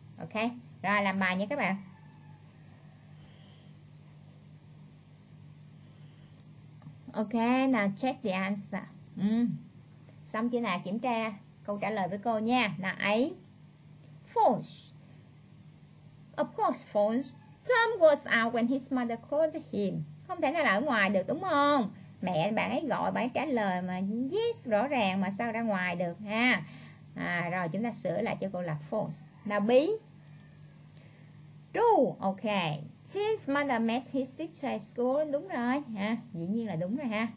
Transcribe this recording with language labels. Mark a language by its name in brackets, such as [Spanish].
[Vietnamese] Ok. Rồi làm bài nha các bạn. [English] Ok. Now check the answer. [Vietnamese] Xong chưa nào, kiểm tra câu trả lời với cô nha. [English] Là A, false. Of course false. Tom was out when his mother called him. [Vietnamese] Không thể nào là ở ngoài được đúng không? Mẹ bạn ấy gọi, bạn ấy trả lời mà yes rõ ràng mà sao ra ngoài được ha. Rồi chúng ta sửa lại cho cô là false. Là B, true. Ok. [English] His mother met his teacher at school. [Vietnamese] Đúng rồi ha, dĩ nhiên là đúng rồi ha.